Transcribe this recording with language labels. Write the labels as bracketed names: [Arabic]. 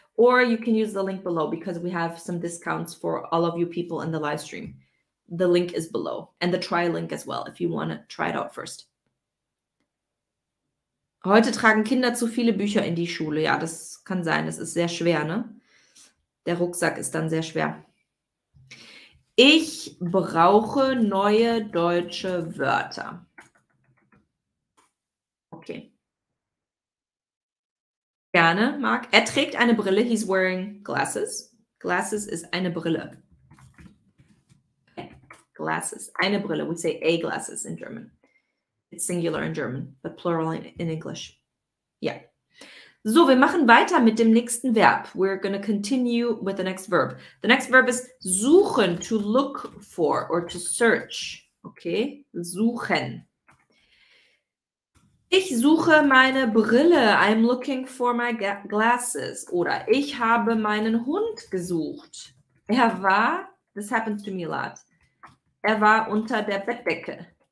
[English] Or you can use the link below because we have some discounts for all of you people in the live stream. The link is below. And the try link as well, if you want to try it out first. [German] Heute tragen Kinder zu viele Bücher in die Schule. Ja, das kann sein. Das ist sehr schwer, ne? Der Rucksack ist dann sehr schwer. Ich brauche neue deutsche Wörter. Okay. Gerne, Marc. Er trägt eine Brille. [English] He's wearing glasses. [German] Glasses ist eine Brille. Okay. Glasses. Eine Brille. [English] We say a glasses in German. It's singular in German, but plural in English. Yeah. [German] So, wir machen weiter mit dem nächsten Verb. [English] We're going to continue with the next verb. The next verb is suchen, to look for or to search. Okay. Suchen. [German] Ich suche meine Brille. [English] I'm looking for my glasses. [German] Oder ich habe meinen Hund gesucht. Er war, [English] this happens to me a lot, [German] er war unter der Bettdecke.